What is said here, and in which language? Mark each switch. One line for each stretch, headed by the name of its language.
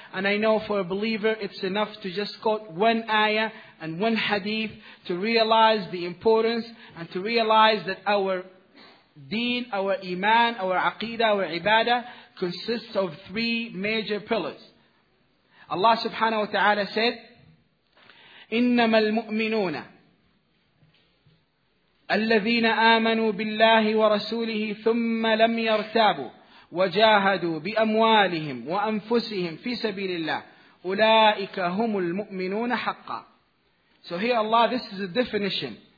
English: And I know for a believer it's enough to just quote one ayah and one hadith to realize the importance and to realize that our deen, our iman, our aqidah, our ibadah consists of three major pillars.
Arabic: Allah subhanahu wa ta'ala
English: said,
Arabic: إِنَّمَا الْمُؤْمِنُونَ الَّذِينَ آمَنُوا بِاللَّهِ وَرَسُولِهِ ثُمَّ لَمْ يَرْتَابُوا وَجَاهَدُوا بِأَمْوَالِهِمْ وَأَنفُسِهِمْ فِي سَبِيلِ اللَّهِ أُولَٰئِكَ هُمُ الْمُؤْمِنُونَ حَقًّا.
English: So here Allah, this is a definition.